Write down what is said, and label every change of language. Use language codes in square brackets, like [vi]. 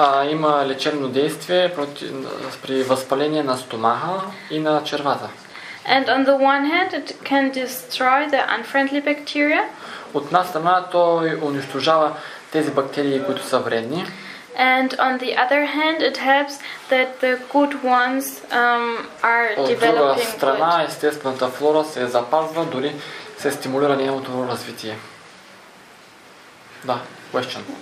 [bg] Има лечебно действие при възпаление на стомаха и на червата. [en] And on the one hand, it can destroy the unfriendly bacteria. [bg] От една страна, той унищожава тези бактерии, които са вредни. [en] And on the other hand, it helps that the good ones are developing. [bg] От друга страна, естествената флора се запазва, дори се стимулира нейното развитие. Да, question.